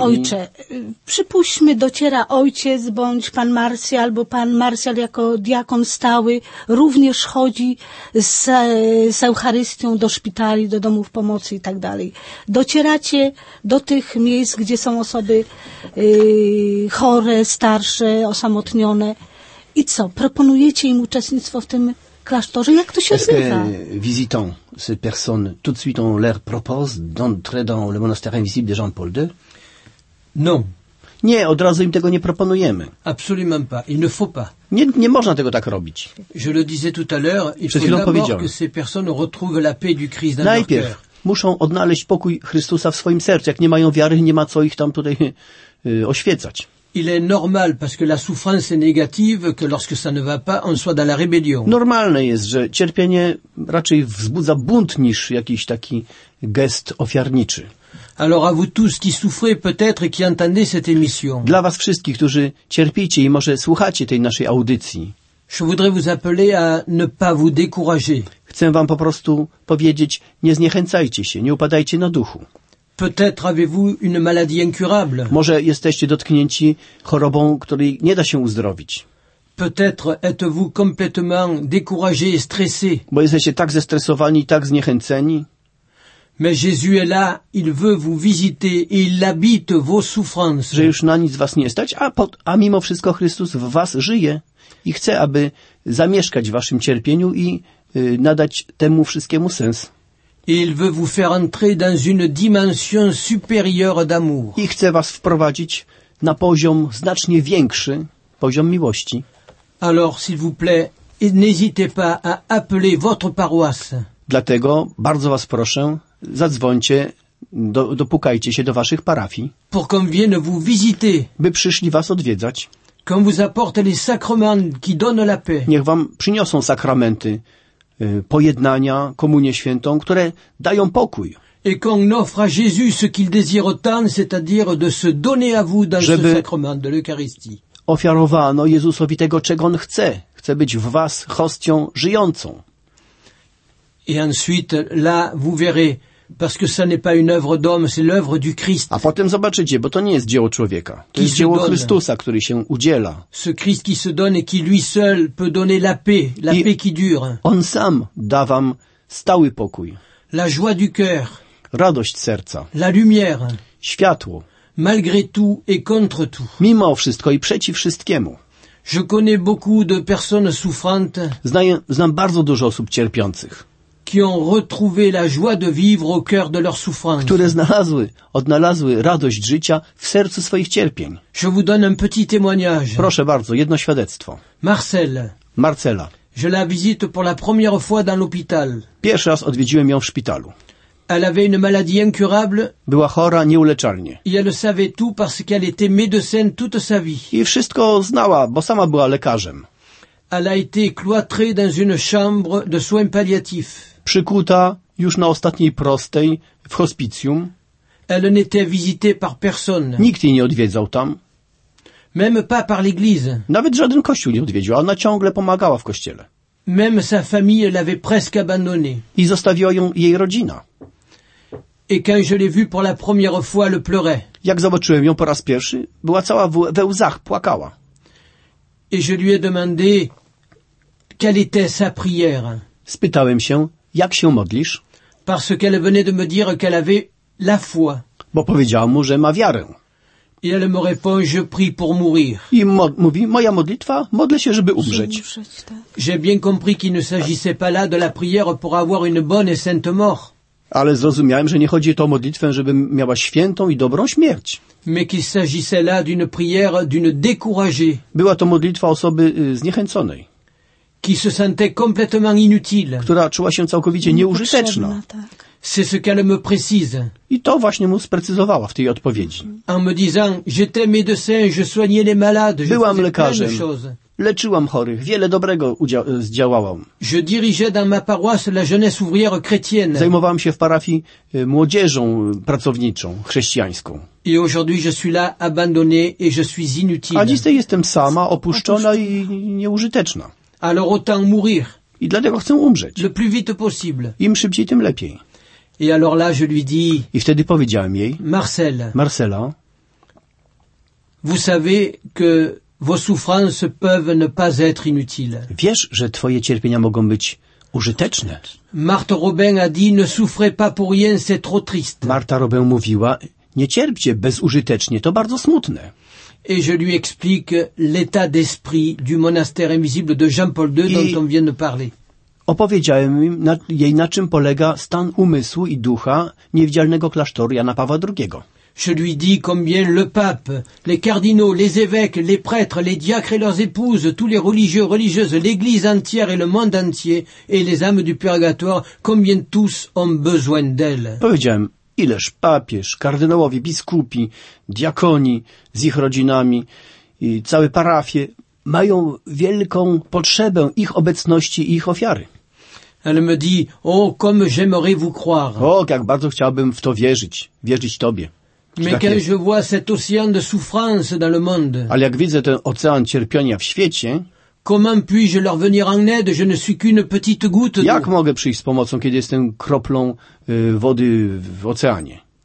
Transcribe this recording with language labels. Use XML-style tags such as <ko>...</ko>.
<pl>Ojcze, przypuśćmy, dociera ojciec, bądź pan Marcjal, bo pan Marcjal jako diakon stały również chodzi z Eucharystią do szpitali, do domów pomocy i tak dalej. Docieracie do tych miejsc, gdzie są osoby chore, starsze, osamotnione. I co? Proponujecie im uczestnictwo w tym klasztorze? Jak to się odbywa?</pl> <fr>Visitant ces personnes tout de suite on leur propose d'entrer dans le monastère invisible de Jean-Paul II? Non.</fr> <pl>Nie, od razu im tego nie proponujemy.</pl> <fr>Absolument pas. Il ne faut pas.</fr> <pl>Nie można tego tak robić.</pl> <fr>Je le disais tout à l'heure, il faut d'abord que ces personnes retrouvent la paix du Christ dans leur cœur.</fr> <pl>Muszą odnaleźć pokój Chrystusa w swoim sercu. Jak nie mają wiary, nie ma co ich tam tutaj oświecać.</pl> <fr>Il est normal parce que la souffrance est négative que lorsque ça ne va pas on soit dans la rébellion.</fr> <pl>Normalne jest, że cierpienie raczej wzbudza bunt niż jakiś taki gest ofiarniczy.</pl> <fr>Alors à vous tous qui souffrez peut-être et qui entendez cette émission.</fr> <pl>Dla was wszystkich, którzy cierpicie i może słuchacie tej naszej audycji.</pl> <fr>Je voudrais vous appeler à ne pas vous décourager.</fr> <pl>Chcę wam po prostu powiedzieć, nie zniechęcajcie się, nie upadajcie na duchu.</pl> <fr>Peut-être avez-vous une maladie incurable.</fr> <pl>Może jesteście dotknięci chorobą, której nie da się uzdrowić.</pl> <fr>peut-être êtes-vous complètement découragé et stressé.</fr> <pl>Bo jesteście tak zestresowani, tak zniechęceni.</pl> <fr>Mais Jésus est là, il veut vous visiter et il habite vos souffrances.</fr> <pl>Że już na nic was nie stać, a mimo wszystko Chrystus w was żyje i chce, aby zamieszkać w waszym cierpieniu i nadać temu wszystkiemu sens.</pl> <fr>Et il veut vous faire entrer dans une dimension supérieure d'amour.</fr> <pl>I chce was wprowadzić na poziom znacznie większy, poziom miłości.</pl> <fr>Alors, s'il vous plaît, n'hésitez pas à appeler votre paroisse.</fr> <pl>Dlatego bardzo was proszę, zadzwońcie, dopukajcie się do waszych parafii.</pl> <fr>Pour qu'on vienne vous visiter.</fr> <pl>By przyszli was odwiedzać.</pl> <fr>Qu'on vous apporte les sacrements qui donnent la paix.</fr> <pl>Niech wam przyniosą sakramenty pojednania, komunię świętą, które dają pokój.</pl> <fr>Et qu'on offre à Jésus ce qu'il désire tant, c'est-à-dire de se donner à vous dans ce sacrement de l'Eucharistie.</fr> <pl>Ofiarowano Jezusowi tego, czego on chce. Chce być w was hostią żyjącą.</pl> <fr>Et ensuite, là, vous verrez, parce que ça n'est pas une œuvre d'homme, c'est l'œuvre du Christ.</fr> <pl>A potem zobaczycie, bo to nie jest dzieło człowieka. To jest dzieło Chrystusa, który się udziela.</pl> <fr>Ce Christ qui se donne et qui lui seul peut donner la paix qui dure.</fr> <pl>On sam da wam stały pokój.</pl> <fr>La joie du cœur.</fr> <pl>Radość serca.</pl> <fr>La lumière.</fr> <pl>Światło.</pl> <fr>Malgré tout et contre tout.</fr> <pl>Mimo wszystko i przeciw wszystkiemu.</pl> <fr>Je connais beaucoup de personnes souffrantes.</fr> <pl>Znam bardzo dużo osób cierpiących.</pl> <fr>Qui ont retrouvé la joie de vivre au cœur de leur souffrance.</fr> <pl>Które odnalazły radość życia w sercu swoich cierpień.</pl> <fr>Je vous donne un petit témoignage.</fr> <pl>Proszę bardzo, jedno świadectwo.</pl> <fr>Marcela. Je la visite pour la première fois dans l'hôpital.</fr> <pl>Pierwszy raz odwiedziłem ją w szpitalu.</pl> <fr>Elle avait une maladie incurable.</fr> <pl>Była chora nieuleczalnie.</pl> <fr>Et elle savait tout parce qu'elle était médecin toute sa vie.</fr> <pl>I wszystko znała, bo sama była lekarzem.</pl> <fr>Elle a été cloîtrée dans une chambre de soins palliatifs.</fr> <pl>Przykuta już na ostatniej prostej w hospicjum.</pl> <fr>Elle n'était visitée par personne.</fr> <pl>Nikt jej nie odwiedzał tam.</pl> <fr>Même pas par l'église.</fr> <pl>Nawet żaden kościół nie odwiedził, a ona ciągle pomagała w kościele.</pl> <fr>Même sa famille l'avait presque abandonnée.</fr> <pl>I zostawiła ją jej rodzina.</pl> <fr>Et quand je l'ai vue pour la première fois, elle pleurait.</fr> <pl>Jak zobaczyłem ją po raz pierwszy, była cała we łzach, płakała.</pl> <fr>Et je lui ai demandé quelle était sa prière.</fr> <pl>Spytałem się, jak się modlisz?</pl> <fr>Parce qu'elle venait de me dire qu'elle avait la foi.</fr> <pl>Bo powiedziała mu, że ma wiarę.</pl> <fr>Et elle me répond, je prie pour mourir.</fr> <pl>I mówi, moja modlitwa, modlę się, żeby umrzeć.</pl> <fr>J'ai bien compris qu'il ne s'agissait pas là de la prière pour avoir une bonne et sainte mort.</fr> <pl>Ale zrozumiałem, że nie chodzi o tą modlitwę, żebym miała świętą i dobrą śmierć.</pl> <fr>Mais qu'il s'agissait là d'une prière d'une découragée.</fr> <pl>Była to modlitwa osoby zniechęconej.</pl> <fr>Qui se sentait complètement inutile.</fr> <pl>Która czuła się całkowicie nieużyteczna.</pl> <fr>C'est ce qu'elle me précise.</fr> <pl>I to właśnie mu sprecyzowała w tej odpowiedzi.</pl> <fr>En me disant, j'étais médecin, je soignais les malades, je faisais plein de choses.</fr> <pl>Leczyłam chorych, wiele dobrego zdziałałam.</pl> <fr>Je dirigeais dans ma paroisse la jeunesse ouvrière chrétienne.</fr> <pl>Zajmowałam się w parafii młodzieżą pracowniczą, chrześcijańską.</pl> <fr>Et aujourd'hui je suis là abandonné et je suis inutile.</fr> <pl>A dzisiaj jestem sama, opuszczona i nieużyteczna.</pl> <fr>Alors autant mourir.</fr> <pl>I dlatego chcę umrzeć.</pl> <fr>Le plus vite possible.</fr> <pl>Im szybciej, tym lepiej.</pl> <fr>Et alors là je lui dis.</fr> <pl>I wtedy powiedziałem jej.</pl> <fr>Marcela. Vous savez que vos souffrances peuvent ne pas être inutiles.</fr> <pl>Wiesz, że twoje cierpienia mogą być użyteczne.</pl> <fr>Marta Robin a dit, ne souffrez pas pour rien, c'est trop triste.</fr> <pl>Marta Robin mówiła, nie cierpcie bezużytecznie, to bardzo smutne.</pl> <fr>Et je lui explique l'état d'esprit du monastère invisible de Jean-Paul II, dont on vient de parler.</fr> <pl>Opowiedziałem jej, na czym polega stan umysłu i ducha niewidzialnego klasztoru Jana Pawła II.</pl> <fr>Je lui dis combien le pape, les cardinaux, les évêques, les prêtres, les diacres et leurs épouses, tous les religieux, religieuses, l'église entière et le monde entier, et les âmes du purgatoire, combien tous ont besoin d'elle.</fr> <pl>Powiedziałem, ileż papież, kardynałowie, biskupi, diakoni z ich rodzinami i całe parafie mają wielką potrzebę ich obecności i ich ofiary.</pl> <fr>Elle me dit, oh, comme j'aimerais vous croire.</fr> <pl>O, jak bardzo chciałbym w to wierzyć, wierzyć tobie.</pl> <fr>Mais quand je vois cet océan de souffrance dans le monde.</fr> <pl>Ale jak widzę ten ocean cierpienia w świecie.</pl> <fr>Comment puis-je leur venir en aide? Je ne suis qu'une petite goutte.</fr> <pl>Jak mogę przyjść z pomocą, kiedy jestem kroplą wody w oceanie?</pl>